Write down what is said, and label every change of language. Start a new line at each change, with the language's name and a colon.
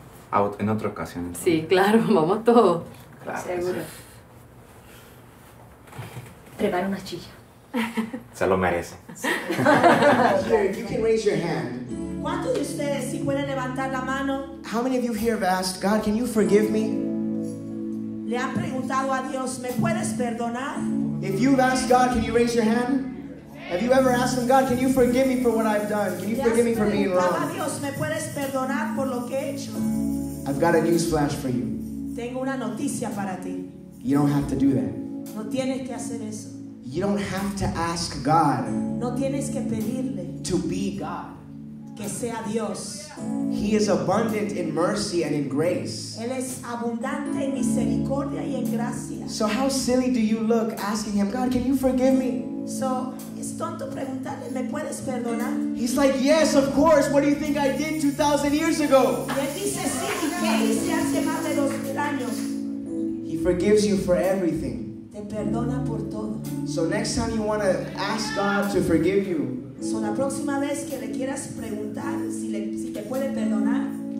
Spanish: Ah, bueno. En otra ocasión. Entonces. Sí, claro, vamos todos. Claro. Seguro. Prepara una chilla. Se lo merece. ¿Cuántos de ustedes sí pueden levantar la mano?
English: How many of you here have asked, God, can you forgive me?
Spanish: ¿Le han preguntado a Dios, me puedes perdonar?
English: If you've asked God, can you raise your hand? Have you ever asked him, God, can you forgive me for what I've done? Can you forgive me for being wrong?
Spanish: Dios, ¿me puedes perdonar por lo que he hecho?
English: I've got a newsflash for you.
Spanish: Tengo una noticia para ti.
English: You don't have to do that.
Spanish: No tienes que hacer eso.
English: You don't have to ask God.
Spanish: No tienes que pedirle.
English: To be God.
Spanish: Que sea Dios.
English: He is abundant in mercy and in grace.
Spanish: Él es abundante en misericordia y en gracia.
English: So how silly do you look asking him, God, can you forgive me?
Spanish: So, es tonto preguntarle, ¿me puedes perdonar?
English: He's like, yes, of course. What do you think I did 2,000 years ago?
Spanish: Y él dice, sí, ¿qué hice hace más de 2,000 años?
English: He forgives you for everything.
Spanish: Te perdona por todo.
English: So next time you want to ask God to forgive you,
Spanish: so la próxima vez que le quieras preguntar si te puede perdonar,